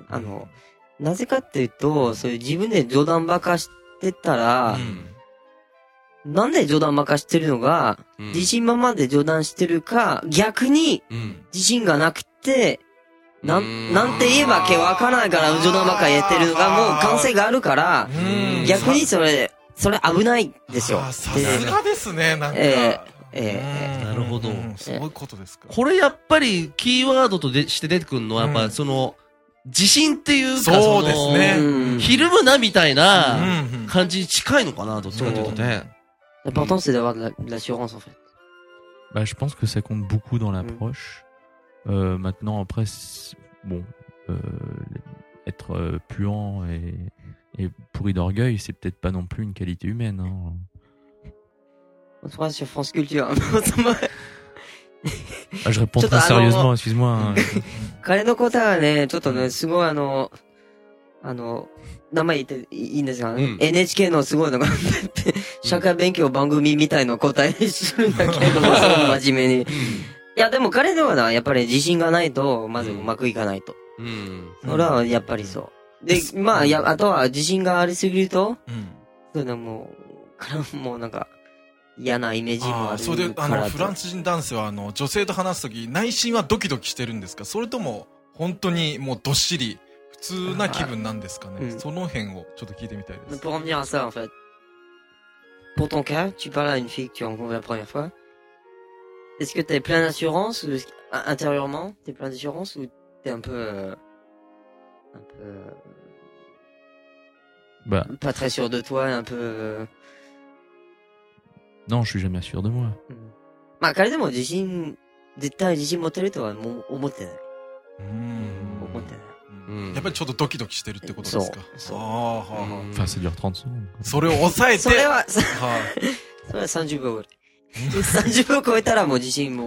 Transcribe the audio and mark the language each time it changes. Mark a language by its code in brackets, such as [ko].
[ja] あの、なぜかっていうと、そういう自分で冗談ばかしてたら、うん、なんで冗談ばかしてるのが、うん、自信満々で冗談してるか、逆に、自信がなくて、うん、なんて言えばけわからないから冗談ばか言ってるのが、もう感性があるから、うん、逆にそれ危ないですよ。さすがですね、なんか。なるほど、うん、すごいことですか、これやっぱりキーワードとでして出てくるのはやっぱその自信っていうか、そうですね、ひるむなみたいな感じに近いのかな、どっちかというとね、 [fr] l'important c'est d'avoir de l'assurance en fait. Bah je pense que ça compte beaucoup dans l'approche. Maintenant après bon être puant et pourri d'orgueil c'est peut-être pas non plus une qualité humaine hein. On se voit sur France Culture. Ah, je réponds très sérieusement, excuse-moi. [ja] 彼のことはね、ちょっとね、すごいあの、名前言っていいんですか、うん、NHK のすごいのが、社会勉強番組みたいな答えするんだけれども、すごい真面目に。いや、でも彼のはやっぱり自信がないと、まずうまくいかないと。うん。それはやっぱりそう。で、まあ、あとは自信がありすぎると、うん、そういうのも、からもうなんか、嫌なイメージもあるから。あ、それで、あの、フランス人男性は、あの、女性と話すとき、内心はドキドキしてるんですか？それとも、本当に、もう、どっしり、普通な気分なんですかね？その辺を、ちょっと聞いてみたいです。 [fr] Pour en venir à ça, en fait. Pour ton cas, tu parles à une fille que tu rencontres la première fois. Est-ce que t'es plein d'assurance, ou, intérieurement, t'es plein d'assurance, ou t'es un peu, bah. Pas très sûr de toi, un peu, Non, je suis jamais sûr de moi. [ja] まあ、彼でも自信、絶対自信持てるとは思ってない。思ってない。やっぱりちょっとドキドキしてるってことですか。そう。 [fr] Enfin, ça dure 30 secondes. [ja] それを抑えて。それは、それは30秒ぐらい。30秒超えたらもう自信も